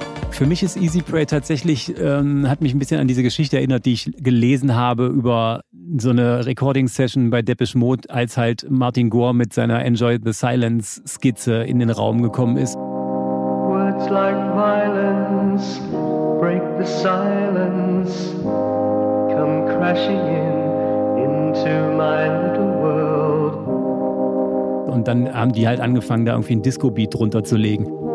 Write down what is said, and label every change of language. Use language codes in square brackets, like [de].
[de] Für mich ist Easy Prey tatsächlich, hat mich ein bisschen an diese Geschichte erinnert, die ich gelesen habe über so eine Recording-Session bei Depeche Mode, als halt Martin Gore mit seiner Enjoy the Silence-Skizze in den Raum gekommen ist. [en] Words like violence break the silence, come crashing in into my little world. [de] Und dann haben die halt angefangen, da irgendwie ein Disco-Beat drunter zu legen.